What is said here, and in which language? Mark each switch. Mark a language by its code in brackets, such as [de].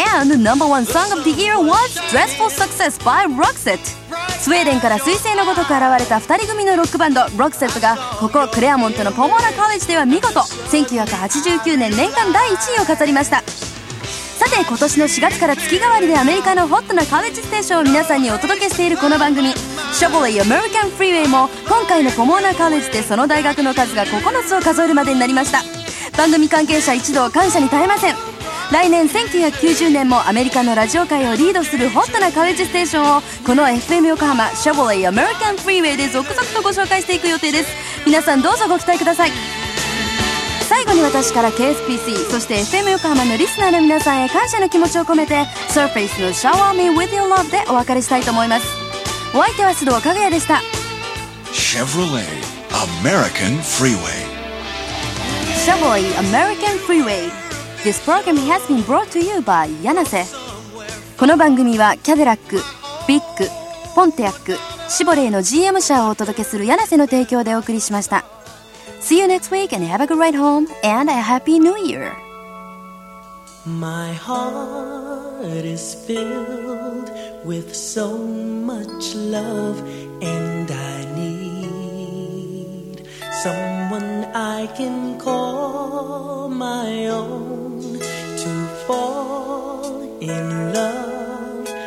[en] And No.1 Song of the Year was Dress for Success by Roxette。 [ja] スウェーデンから彗星のごとく現れた2人組のロックバンドロクセットが、ここクレアモントのポモーナカレッジでは見事1989年年間第1位を飾りました。さて、今年の4月から月替わりでアメリカのホットなカレッジステーションを皆さんにお届けしているこの番組シャボレーアメリカンフリーウェイも、今回のポモーナカレッジでその大学の数が9つを数えるまでになりました。番組関係者一同感謝に絶えません。来年1990年もアメリカのラジオ界をリードするホットなカレッジステーションを、この FM 横浜シャボレーアメリカンフリーウェイで続々とご紹介していく予定です。皆さんどうぞご期待ください。最後に私から KSPC そして FM 横浜のリスナーの皆さんへ感謝の気持ちを込めて、 Surface の Shower Me With Your Love でお別れしたいと思います。お相手は須藤かぐやでした。シャボレーアメリカンフリーウェイ。シャボレーアメリカンフリーウェイ。 [en] This program has been brought to you by 柳瀬。 [ja] この番組はキャデラック、ビッグ、ポンティアック、シボレーの GM 車をお届けする柳瀬の提供でお送りしました。 [en] See you next week and have a good ride home and a happy new year. My heart is filled with with so much love, and I need someone I can call my own to fall in love.